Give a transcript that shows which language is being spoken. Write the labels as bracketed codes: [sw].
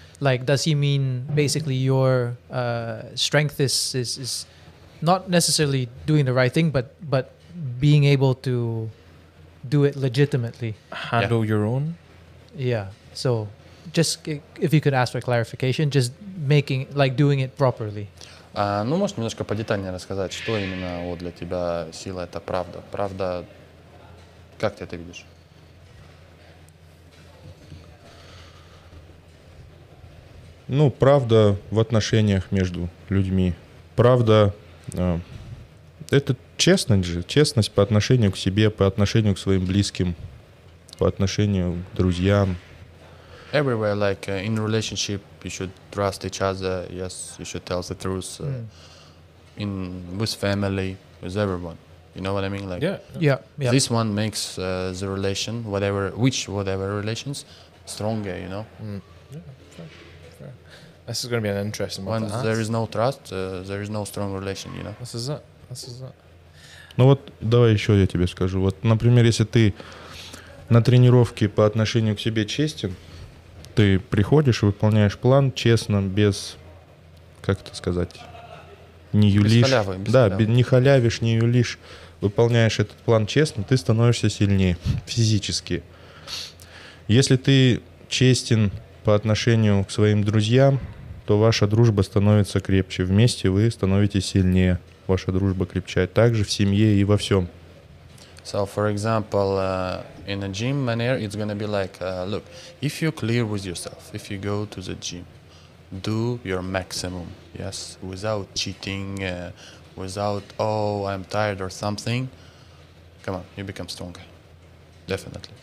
[en] Like, does he mean basically your strength is not necessarily doing the right thing, but being able to do it legitimately, handle your own? Yeah. So, just if you could ask for clarification, just making like doing it properly. [ru] Ну, можешь немножко подетальнее рассказать, что именно вот для тебя сила — это правда? Правда, как ты это видишь? Ну, правда в отношениях между людьми. Правда, это честность же. Честность по отношению к себе, по отношению к своим близким, по отношению к друзьям. [en] Everywhere, like in relationship, you should trust each other. Yes, you should tell the truth. in with family, with everyone. You know what I mean? Like, yeah. This one makes the relation, whatever relations, stronger. You know. Mm. Yeah, fair. This is going to be an interesting one. When there is no trust, there is no strong relation. You know. This is it. [ru] Ну вот, давай еще я тебе скажу. Вот, например, если ты на тренировке по отношению к себе честен, ты приходишь и выполняешь план честно, без, как это сказать, не юлишь. Не халявишь, не юлишь. Выполняешь этот план честно, ты становишься сильнее физически. Если ты честен по отношению к своим друзьям, то ваша дружба становится крепче. Вместе вы становитесь сильнее. Ваша дружба крепчает также в семье и во всем. [en] So, for example, in a gym manner, it's gonna be like, look, if you're clear with yourself, if you go to the gym, do your maximum, yes, without cheating, without, oh, I'm tired or something, come on, you become stronger, definitely.